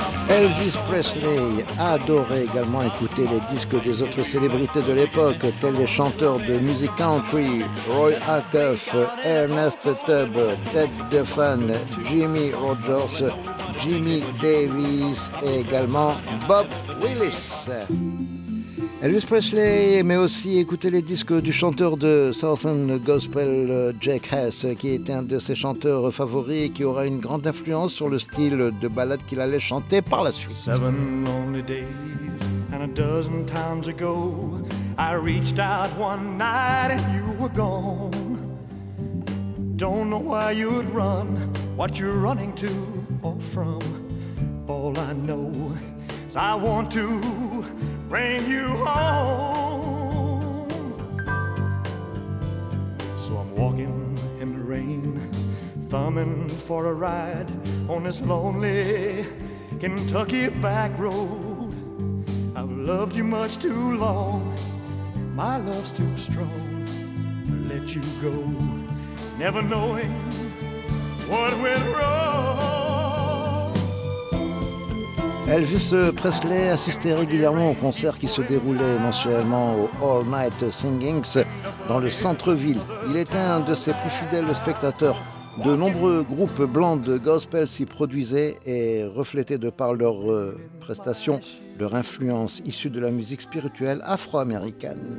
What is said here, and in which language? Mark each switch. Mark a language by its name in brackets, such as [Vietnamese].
[French] Elvis Presley adorait également écouter les disques des autres célébrités de l'époque, tels les chanteurs de musique country Roy Acuff, Ernest Tubb, Ted Dufan, Jimmy Rogers, Jimmy Davis et également Bob Willis. Elvis Presley aimait aussi écouter les disques du chanteur de Southern Gospel, Jack Hess, qui était un de ses chanteurs favoris et qui aura une grande influence sur le style de ballade qu'il allait chanter par la suite. [English] Seven lonely days and a dozen towns ago, I reached out one night and you were gone. Don't know why you'd run, what you're running to or from. All I know is I want to bring you home. So I'm walking in the rain, thumbing for a ride on this lonely Kentucky back road. I've loved you much too long, my love's too strong to let you go, never knowing what went wrong. [French] Elvis Presley assistait régulièrement aux concerts qui se déroulaient mensuellement au All Night Singings dans le centre-ville. Il était un de ses plus fidèles spectateurs. De nombreux groupes blancs de gospel s'y produisaient et reflétaient de par leurs prestations leur influence issue de la musique spirituelle afro-américaine.